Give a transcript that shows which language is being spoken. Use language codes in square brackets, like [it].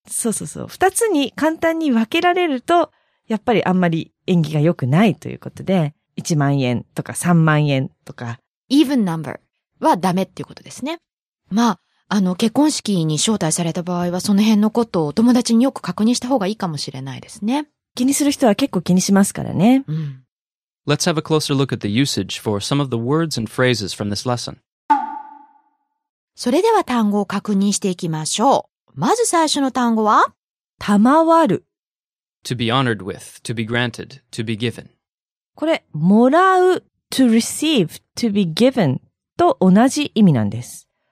[ja] そうそうそう、2つに簡単に分けられるとやっぱりあんまり縁起が良くないということで、1万円とか3万円とか [en] Even number [ja] はダメっていうことですね。まあ、あの、結婚式に招待された場合はその辺のことを友達によく確認した方がいいかもしれないですね。気にする人は結構気にしますからね、うん、 [en] Let's have a closer look at the usage for some of the words and phrases from this lesson. [ja] それでは単語を確認していきましょう。まず最初の単語は、賜る。 [en] To be honored with, to be granted, to be given. [ja] これ、もらう、 [en] to receive, to be given [ja] と同じ意味なんです。